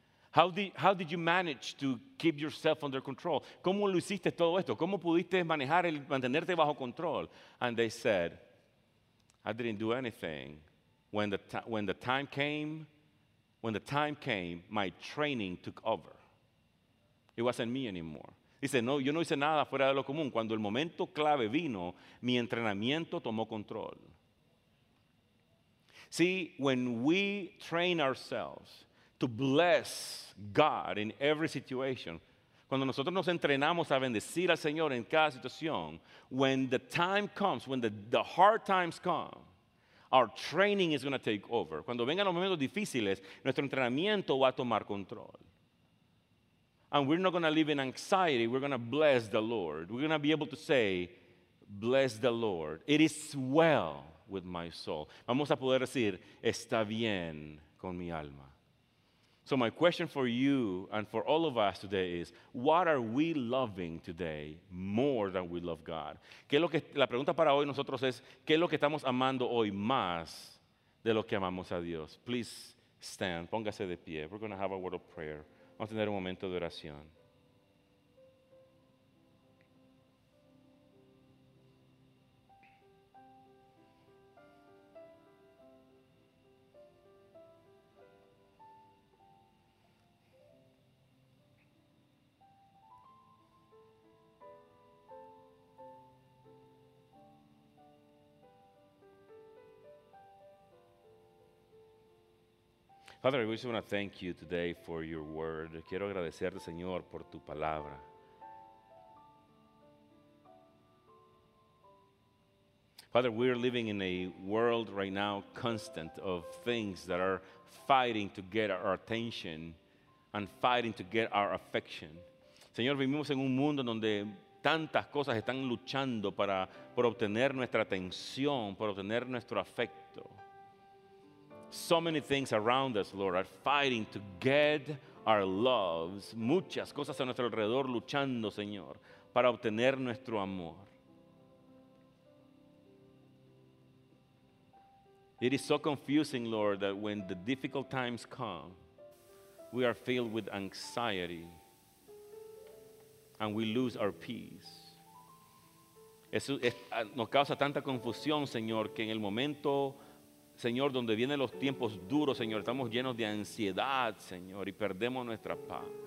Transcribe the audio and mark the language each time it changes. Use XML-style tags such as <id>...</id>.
<en>How did you manage to keep yourself under control?</en> <es>¿Cómo lo hiciste todo esto? ¿Cómo pudiste manejar el mantenerte bajo control?</es> <en>And they said, I didn't do anything. When the time came, my training took over. It wasn't me anymore.</en> <es>Dice, no, yo no hice nada fuera de lo común. Cuando el momento clave vino, mi entrenamiento tomó control.</es> <en>See, when we train ourselves to bless God in every situation,</en> <es>cuando nosotros nos entrenamos a bendecir al Señor en cada situación,</es> <en>when the time comes, when the hard times come, our training is going to take over.</en> <es>Cuando vengan los momentos difíciles, nuestro entrenamiento va a tomar control.</es> <en>And we're not going to live in anxiety. We're going to bless the Lord. We're going to be able to say, bless the Lord. It is well with my soul.</en> <es>Vamos a poder decir, está bien con mi alma.</es> <en>So my question for you and for all of us today is, what are we loving today more than we love God?</en> <es>La pregunta para hoy nosotros es, ¿qué es lo que estamos amando hoy más de lo que amamos a Dios?</es> <en>Please stand,</en> <es>póngase de pie.</es> <en>We're going to have a word of prayer.</en> <es>Vamos a tener un momento de oración.</es> <en>Father, we just want to thank you today for your word.</en> <es>Quiero agradecerte, Señor, por tu palabra.</es> <en>Father, we're living in a world right now constant of things that are fighting to get our attention and fighting to get our affection.</en> <es>Señor, vivimos en un mundo donde tantas cosas están luchando por obtener nuestra atención, por obtener nuestro afecto.</es> <en>So many things around us, Lord, are fighting to get our loves.</en> <es>Muchas cosas a nuestro alrededor luchando, Señor, para obtener nuestro amor.</es> <en>It is so confusing, Lord, that when the difficult times come, we are filled with anxiety and we lose our peace.</en> <es>Nos causa tanta confusión, Señor, que en el momento, Señor, donde vienen los tiempos duros, Señor, estamos llenos de ansiedad, Señor, y perdemos nuestra paz.</es>